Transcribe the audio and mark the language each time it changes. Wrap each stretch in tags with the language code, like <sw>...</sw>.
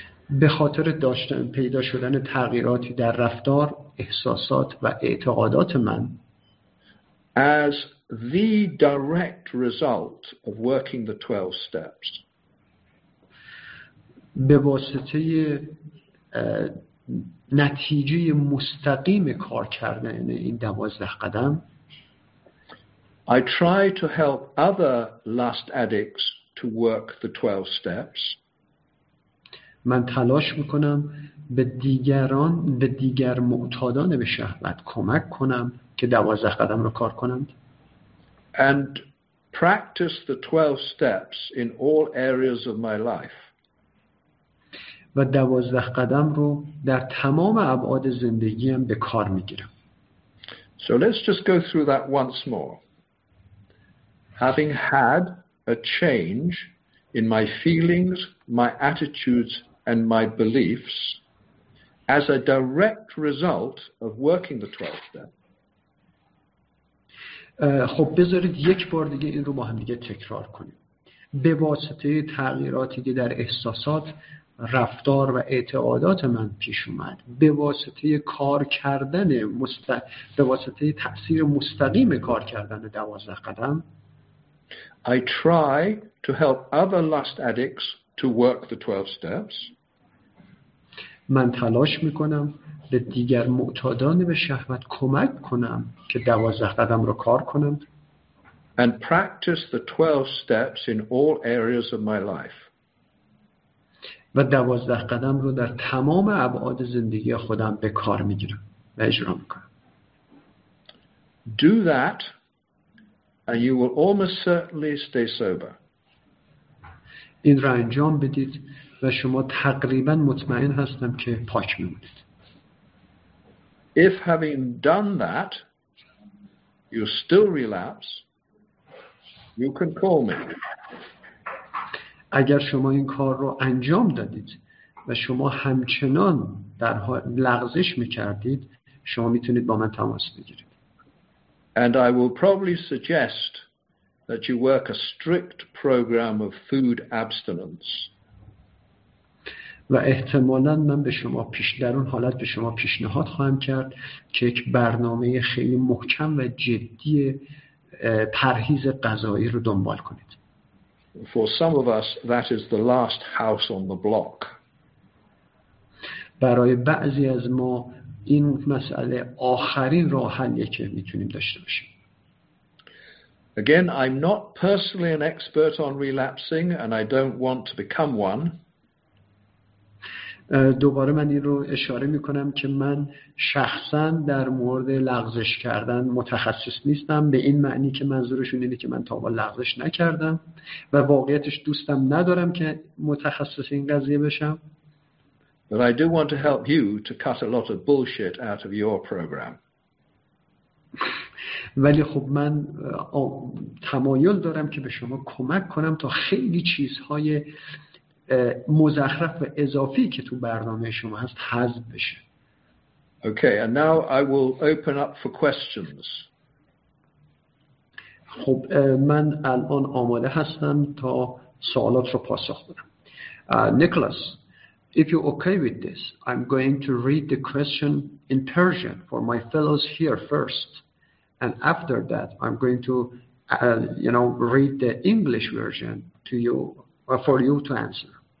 <fa>به خاطر داشتن پیدا شدن تغییراتی در رفتار، احساسات و اعتقادات من،</fa> <en>as the direct result of working the 12 steps.</en> <fa>به واسطه نتیجه مستقیم کار کردن این 12 قدم،</fa> <en>I try to help other lust addicts to work the 12 steps.</en> <fa>من تلاش میکنم به دیگر معتادان به شهوت کمک کنم که 12 قدم رو کار کنند.</fa> <en>And practice the 12 steps in all areas of my life.</en> <fa>و 12 قدم رو در تمام ابعاد زندگیم به کار میگیرم.</fa> <en>So let's just go through that once more. Having had a change in my feelings, my attitudes, and my beliefs as a direct result of working the 12th step.</en> <fa>خب بذارید یک بار دیگه این رو با هم دیگه تکرار کنیم. به واسطه تغییراتی که در احساسات، رفتار و اعتقادات من پیش اومد، به واسطه کار کردن به واسطه تأثیر مستقیم کار کردن 12 قدم،</fa> <en>I try to help other lust addicts to work the 12 steps.</en> <fa>من تلاش میکنم به دیگر معتادان به شهوت کمک کنم که 12 قدم رو کار کنم.</fa> <en>And practice the 12 steps in all areas of my life.</en> <fa>و 12 قدم رو در تمام ابعاد زندگی خودم به کار میگیرم و اجرا میکنم.</fa> <en>Do that and you will almost certainly stay sober.</en> <fa>این را انجام بدید و شما تقریبا مطمئن هستم که پاک میمونید.</fa> <en>If having done that you still relapse, you can call me.</en> <fa>اگر شما این کار رو انجام دادید و شما همچنان در حال لغزش میکردید، شما میتونید با من تماس بگیرید.</fa> <en>And I will probably suggest that you work a strict program of food abstinence.</en> <fa>و احتمالاً من به شما پیش در اون حالت به شما پیشنهاد خواهم کرد که یک برنامه خیلی محکم و جدی پرهیز غذایی رو دنبال کنید.</fa> <en>For some of us that is the last house on the block.</en> <fa>برای بعضی از ما این مسئله آخرین راه حلیه که میتونیم داشته باشیم.</fa> <en>Again, I'm not personally an expert on relapsing and I don't want to become one.</en> <fa>دوباره من این رو اشاره می کنم که من شخصا در مورد لغزش کردن متخصص نیستم، به این معنی که منظورشون اینه که من تا با لغزش نکردم و واقعیتش دوستم ندارم که متخصص این قضیه بشم.</fa> <en>But I do want to help you to cut a lot of bullshit out of your program.</en> <fa>ولی خب من تمایل دارم که به شما کمک کنم تا خیلی چیزهای مزخرف و اضافی که تو برنامه شما هست حذف بشه.</fa> <en>Okay, and now I will open up for questions.</en> <fa>خب من الان آماده هستم تا سوالات رو پاسخ بدم.</fa> <en>Nicholas, if you're okay with this, I'm going to read the question in Persian for my fellows here first. And after that, I'm going to, read the English version to you, for you to answer.</en>